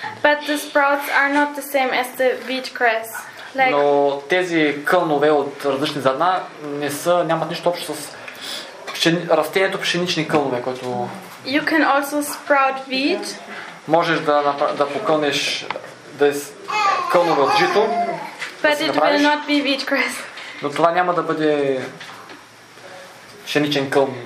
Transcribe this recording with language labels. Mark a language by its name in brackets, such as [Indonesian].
[English] But the sprouts are not the same as the wheat grass. Like... [Bulgarian] Но тези кълнове от различни зърна не са, нямат нищо общо с растението пшенични кълнове, което... [English] You can also sprout wheat. [Bulgarian] Можеш да покълнеш кълнове от жито. [English] But it will not be wheat grass. [Bulgarian] Но това няма да бъде пшеничен кълн.